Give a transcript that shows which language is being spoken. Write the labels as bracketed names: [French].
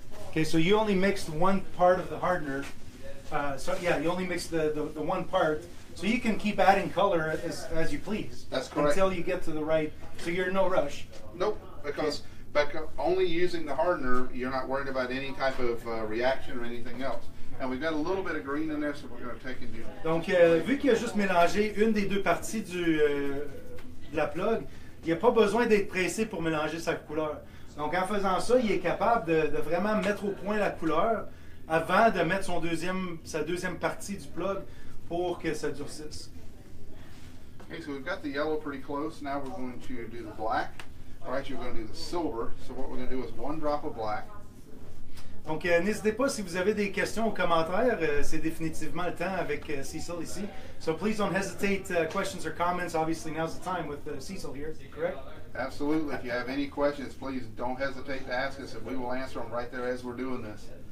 [English] Okay, so you only mixed one part of the hardener. You only mixed the one part. So you can keep adding color as you please. That's correct. Until you get to the right, so you're in no rush. Nope, because only using the hardener, you're not worried about any type of reaction or anything else. And we've got a little bit of green in there, so we're going to take and do it. [French] Donc, vu qu'il a juste mélangé une des deux parties de la plug, il n'y a pas besoin d'être pressé pour mélanger sa couleur. Donc, en faisant ça, il est capable de vraiment mettre au point la couleur avant de mettre sa deuxième partie du plug pour que ça durcisse. [English] Okay, so we've got the yellow pretty close. Now we're going to do the black. All right, you're going to do the silver. So what we're going to do is one drop of black. [French] Donc, n'hésitez pas si vous avez des questions ou commentaires. C'est définitivement le temps avec Cecil ici. [English] So please don't hesitate, questions or comments. Obviously, now's the time with Cecil here, correct? Absolutely. If you have any questions, please don't hesitate to ask us, and we will answer them right there as we're doing this.